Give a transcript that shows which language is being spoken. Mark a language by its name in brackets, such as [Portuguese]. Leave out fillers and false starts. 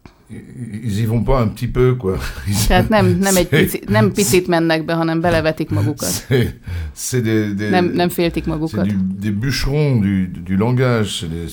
[French] Ils y vont pas un petit peu, quoi. [Hungarian] Tehát nem picit mennek be, hanem belevetik magukat. Nem féltik magukat. [French] C'est des bûcherons du langage.